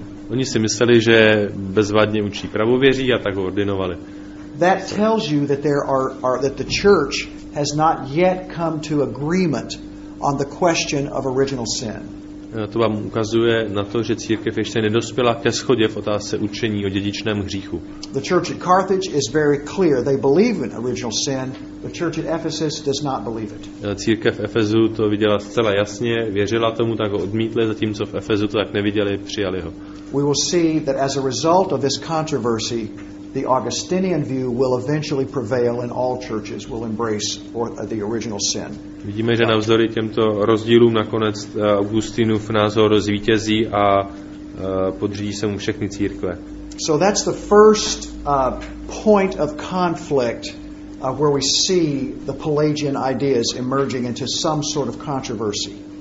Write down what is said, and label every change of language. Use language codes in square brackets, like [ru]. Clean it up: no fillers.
[cs] Oni si mysleli, že bezvadně učí pravověří, a tak ho ordinovali. [en] That tells you that that the church has not yet come to agreement on the question of original sin. [cs] To vám ukazuje na to, že církev ještě nedospěla ke shodě v otázce učení o dědičném hříchu. [en] The church at Carthage is very clear. They believe in original sin. The church at Ephesus does not believe it. [cs] Církev v Efezu to viděla zcela jasně, věřila tomu, tak ho odmítli, zatímco v Efezu to tak neviděli, přijali ho. [en] We will see that as a result of this controversy, the Augustinian view will eventually prevail and all churches will embrace the original sin. [cs] Vidíme, že navzdory těmto rozdílům nakonec Augustinův názor zvítězí a podřídí se mu všechny církve. [en] So that's the first point of conflict where we see the Pelagian ideas emerging into some sort of controversy.